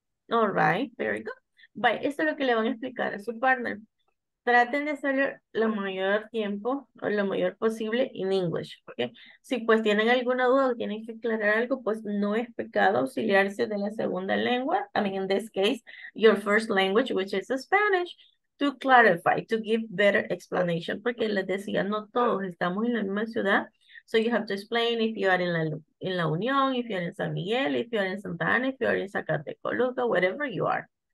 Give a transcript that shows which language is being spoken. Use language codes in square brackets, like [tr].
[en] All right, very good. Bye. [es] Esto es lo que le van a explicar a su partner. Traten de hacerlo lo mayor tiempo o lo mayor posible en English. ¿Okay? Si pues tienen alguna duda o tienen que aclarar algo, pues no es pecado auxiliarse de la segunda lengua. [en] I mean, in this case, your first language, which is Spanish, to clarify, to give better explanation. [es] Porque les decía, no todos estamos en la misma ciudad. [en] So you have to explain if you are in La Unión, if you are in San Miguel, if you are in Santa Ana, if you are in Zacatecoluca, wherever you are.